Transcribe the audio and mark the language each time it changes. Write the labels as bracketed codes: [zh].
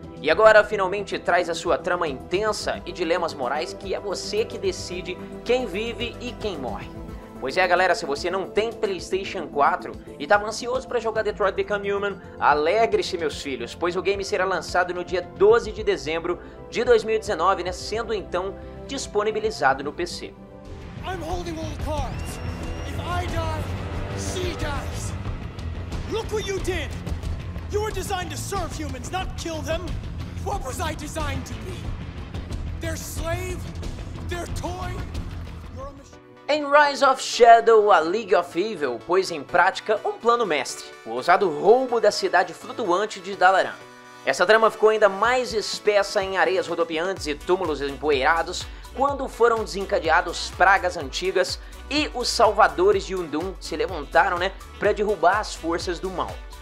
[pt] E agora finalmente traz a sua trama intensa e dilemas morais, que é você que decide quem vive e quem morre. Pois é, galera, se você não tem PlayStation 4 e tava ansioso pra jogar Detroit Become Human, alegre-se, meus filhos, pois o game será lançado no dia 12 de dezembro de 2019, né, sendo então disponibilizado no PC. [en] I'm holding all the cards. If I die, she dies. Look what you did. You were designed to serve humans, not kill them. What was I designed to be? Their slave? Their toy? [pt] Em Rise of Shadow, a League of Evil pôs em prática um plano mestre, o ousado roubo da cidade flutuante de Dalaran. Essa trama ficou ainda mais espessa em areias rodopiantes e túmulos empoeirados quando foram desencadeados pragas antigas e os salvadores de Undoom se levantaram, né, para derrubar as forças do mal.